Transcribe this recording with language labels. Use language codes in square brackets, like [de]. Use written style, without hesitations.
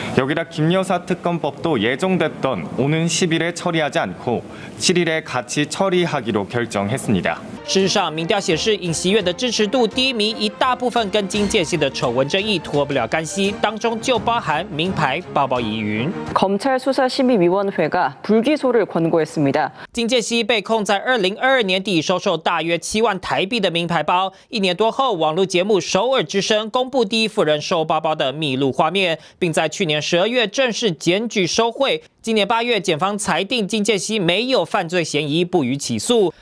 [ko] 여기다김여사특검법도예정됐던오는10일에처리하지않고7일에같이처리하기로결정했습니다 [zh] 事实上，民调显示尹锡悦的支持度低迷，一大部分跟金建熙的丑闻争议脱不了干系，当中就包含名牌包包疑云。 [ko] 검찰수사심의위원회가불기소를권고했습니다 [zh] 金建熙被控在2022年底收受大约7万台币的名牌包，一年多后，网络节目《首尔之声》公布第一夫人收包包的秘录画面，并在去年12月正式检举收贿。今年8月，检方裁定金建熙没有犯罪嫌疑，不予起诉。